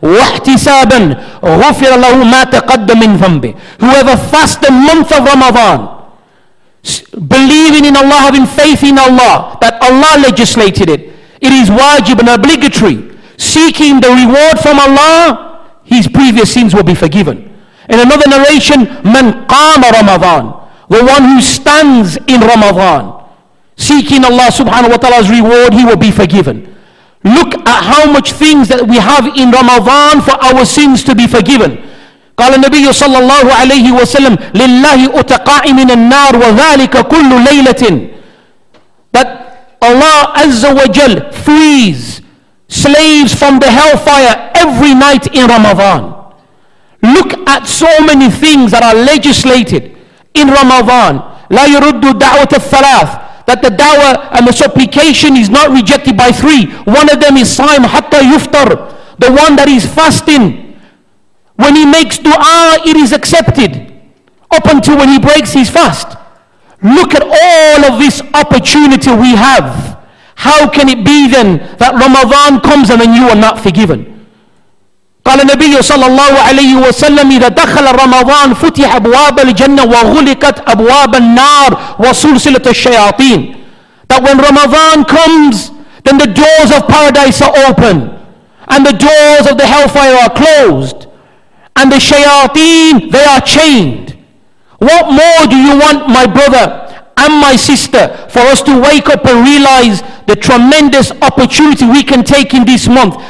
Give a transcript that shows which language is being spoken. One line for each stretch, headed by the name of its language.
Arabic: واحتسابا غفر له ما تقدم من ذنبه.
English: Whoever fasts the month of Ramadan, believing in Allah, having faith in Allah, that Allah legislated it, it is wajib and obligatory, seeking the reward from Allah, his previous sins will be forgiven. In another narration,
Arabic: man qama Ramadan,
English: the one who stands in Ramadan, seeking Allah subhanahu wa ta'ala's reward, he will be forgiven. Look at how much things that we have in Ramadan for our sins to be forgiven.
Arabic: قال النبي صلى الله عليه وسلم لله أتقى من النار وذلك كل ليلة.
English: But Allah Azza wa Jal frees slaves from the hellfire every night in Ramadan. Look at so many things that are legislated in Ramadan.
Arabic: لا يرد دعوة الثلاث,
English: that the dawah and the supplication is not rejected by three. One of them is
Arabic: صائم حتى يفطر,
English: the one that is fasting. When he makes dua, it is accepted up until when he breaks his fast. Look at all of this opportunity we have. How can it be then that Ramadan comes and then you are not forgiven?
Arabic: قال النبي صلى الله عليه وسلم إذا دخل رمضان فتح أبواب الجنة وغلقت أبواب النار وسلسلة الشياطين.
English: That when Ramadan comes, then the doors of paradise are open and the doors of the hellfire are closed. And the shayateen, they are chained. What more do you want, my brother and my sister, for us to wake up and realize the tremendous opportunity we can take in this month?